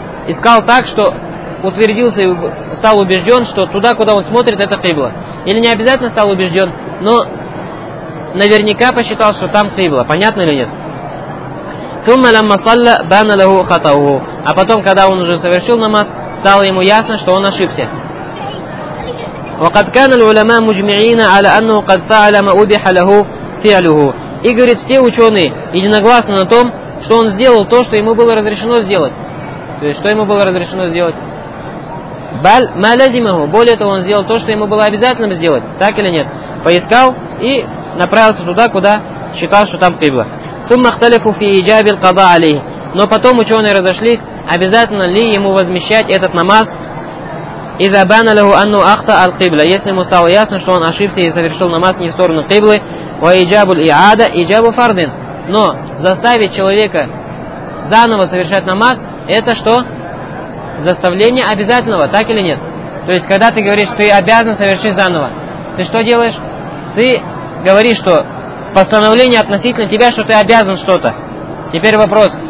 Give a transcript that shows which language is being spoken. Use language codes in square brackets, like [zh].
[ru] Искал так, что утвердился и стал убежден, что туда, куда он смотрит, это Кыбла. Или не обязательно стал убежден, но наверняка посчитал, что там Кыбла. Понятно или нет? [ar] Сумма ламма салля бана лаху хатауху. [ru] А потом, когда он уже совершил намаз, стало ему ясно, что он ошибся. [ar] وقد كان العلماء مجمعين على أنه قد فعل ما أبيح له فعله. [ru] И говорит, все ученые единогласны на том, что он сделал то, что ему было разрешено сделать. То есть, что ему было разрешено сделать? [ar] بل ما لزمه. [ru] Более того, он сделал то, что ему было обязательным сделать. Так или нет? Поискал и направился туда, куда считал, что там Кыбла. [ar] ثم اختلفوا في إيجاب القضاء عليه. [ru] Но потом ученые разошлись, обязательно ли ему возмещать этот намаз. [ar] إذا بان له أنه أخطأ القبلة. [ru] Если ему стало ясно, что он ошибся и совершил намаз не в сторону Кыблы. [ar] وإيجاب الإعادة إيجاب فرض. [ru] Но заставить человека заново совершать намаз, это что? Заставление обязательного, так или нет? То есть, когда ты говоришь, что ты обязан совершить заново, ты что делаешь? Ты говоришь, что постановление относительно тебя, что ты обязан что-то. Теперь вопрос.